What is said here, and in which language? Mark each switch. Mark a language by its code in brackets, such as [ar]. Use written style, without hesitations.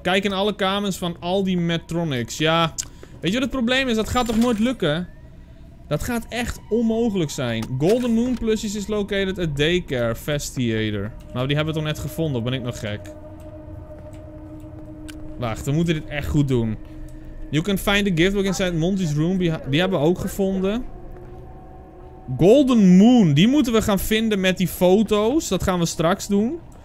[nl] Kijk in alle kamers van al die Metronics. Ja, weet je wat het probleem is? Dat gaat toch nooit lukken? Dat gaat echt onmogelijk zijn. [en] Golden Moon Plusjes is located at Daycare Festiator. [nl] Nou, die hebben we toch net gevonden? Ben ik nog gek? Wacht, we moeten dit echt goed doen. [en] You can find the gift book inside Monty's room. [nl] Die hebben we ook gevonden. Golden Moon. Die moeten we gaan vinden met die foto's. Dat gaan we straks doen.